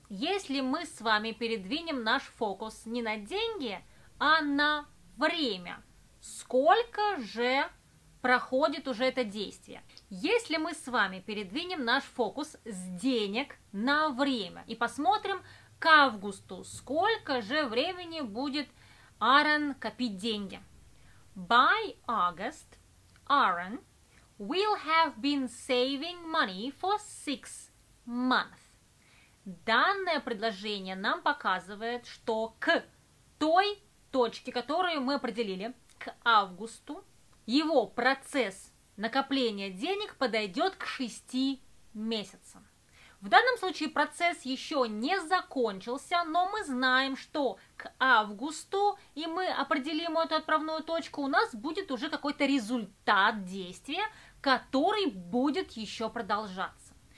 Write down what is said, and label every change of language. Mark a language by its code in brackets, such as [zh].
[ru] Если мы с вами передвинем наш фокус не на деньги, а на время, сколько же проходит уже это действие? Если мы с вами передвинем наш фокус с денег на время и посмотрим к августу, сколько же времени будет Аарон копить деньги. [en] By August, Aaron will have been saving money for 6 months. [ru] Данное предложение нам показывает, что к той точке, которую мы определили, к августу, его процесс накопление денег подойдет к 6 месяцам. В данном случае процесс еще не закончился, но мы знаем, что к августу, и мы определим эту отправную точку, у нас будет уже какой-то результат действия, который будет еще продолжаться.